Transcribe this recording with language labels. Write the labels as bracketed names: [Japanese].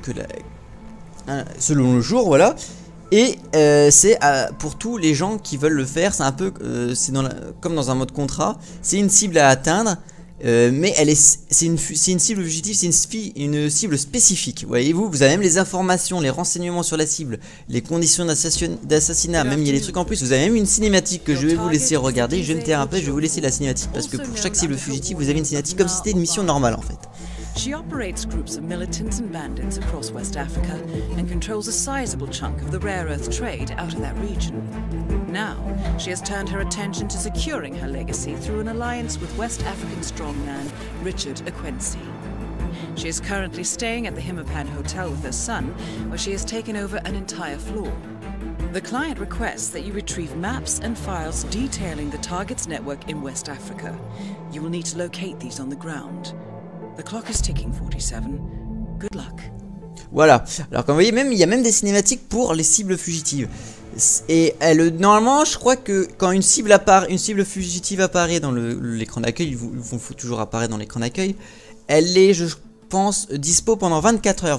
[French] Que la, selon le jour, voilà, et pour tous les gens qui veulent le faire, c'est un peu comme dans un mode contrat, c'est une cible à atteindre, mais c'est une cible objective, c'est une cible spécifique. Voyez-vous, vous avez même les informations, les renseignements sur la cible, les conditions d'assassinat, même il y a des trucs en plus, vous avez même une cinématique que je vais vous laisser regarder, je vais me taire un peu, je vais vous laisser la cinématique, parce que pour chaque cible fugitive, vous avez une cinématique comme si c'était une mission normale en fait. [English] She operates groups of militants and bandits across West Africa and controls a sizable chunk of the rare earth trade out of that region. Now, she has turned her attention to securing her legacy through an alliance with West African strongman Richard Akwensi. She is currently staying at the Himapan Hotel with her son, where she has taken over an entire floor. The client requests that you retrieve maps and files detailing the target's network in West Africa. You will need to locate these on the ground. The clock is ticking, 47. Good luck. Voilà. [French] Alors comme vous voyez, même il y a même des cinématiques pour les cibles fugitives. Et normalement, je crois que quand une cible fugitive apparaît dans l'écran d'accueil, il faut toujours apparaître dans l'écran d'accueil, elle est, je pense, dispo pendant 24 heures.